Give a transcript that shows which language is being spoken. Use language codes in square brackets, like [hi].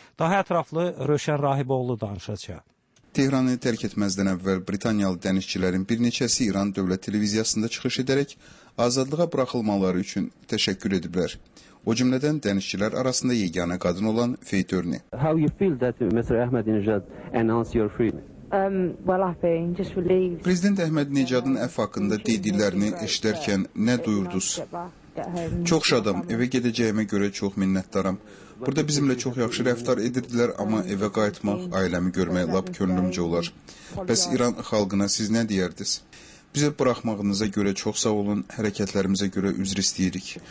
[az] Daha ətraflı Rövşən Rahiboğlu danışacaq. Tehranı tərk etməzdən əvvəl Britaniyalı dənizçilərin bir neçəsi İran dövlət televiziyasında çıxış edərək azadlığa buraxılmaları üçün təşəkkür ediblər. O cümlədən dənizçilər arasında yeganə qadın olan Fey Törni. [en] How you feel that Mr. Ahmed Nejad announced your freedom? [az] Prezident Əhməd Nejadın əf haqqında dediklərini eşidərkən nə duyurdunuz? Çox şadam, evə gedəcəyimə görə çox minnətdaram. Burada bizimlə çox yaxşı rəftar edirdilər, amma evə qayıtmaq, ailəmi görmək lap könlümcə olar. Bəs İran xalqına siz nə deyərdiniz? Bizə buraxmağınıza görə çox sağ olun, hərəkətlərimizə görə üzr istəyirik.